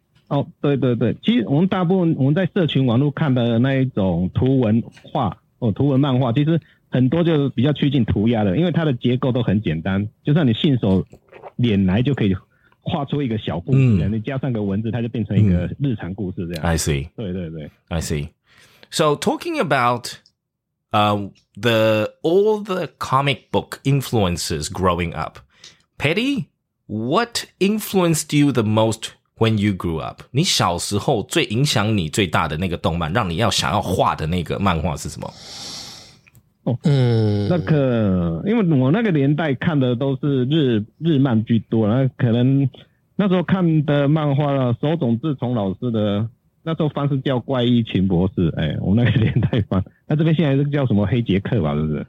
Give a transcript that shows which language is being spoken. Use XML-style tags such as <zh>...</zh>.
<zh>哦，对对对，其实我们大部分我们在社群网络看的那一种图文画哦，图文漫画，其实很多就比较趋近涂鸦的，因为它的结构都很简单，就算你信手拈来就可以画出一个小故事，你加上个文字，它就变成一个日常故事这样。</zh> <en>I see.</en> <zh>对对对</zh> <en>，I see. So talking about all the comic book influences growing up, Patty, what influenced you the most? When you grew up,</en> <zh>你小时候最影响你最大的那个动漫，让你要想要画的那个漫画是什么？那个，因为我那个年代看的都是日漫居多，那可能那时候看的漫画了，手冢治虫老师的，那时候番是叫《怪医秦博士》，我那个年代番，那这边现在是叫什么黑杰克吧，是不是？</zh>